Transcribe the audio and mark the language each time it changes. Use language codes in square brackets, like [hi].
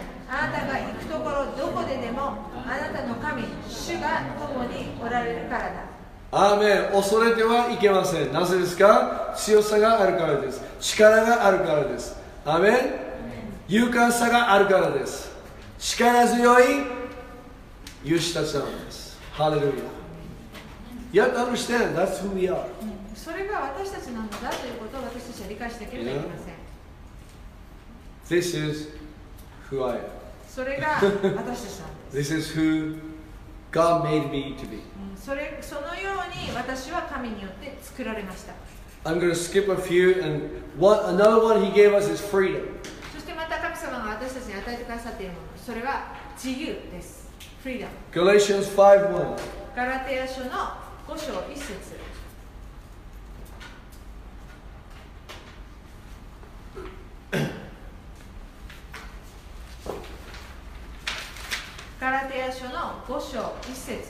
[ja] あなたが行くところどこででも、あなたの神、主が共におられるからだ。アーメン。恐れてはいけません。なぜですか？強さがあるからです。力があるからです。アーメン。勇敢さがあるからです。力強い勇士たちなんです。ハレルヤ。 [en] You have to understand, that's who we are. [ja] それが私たちなんだということを私たちは理解してなければいけません。 [en] This is who I am. [ja] それが私たちなんです。 [en] This is who God made me to be. [ja] そのように私は神によって作られました。 [en] I'm going to skip a few and another one he gave us is freedom. [ja] そしてまた神様が私たちに与えてくださっているもの、それは自由です。 [en] Freedom. Galatians 5:1. [ja] ガラテヤ書の五章一節。ガラテヤ書の五章一節。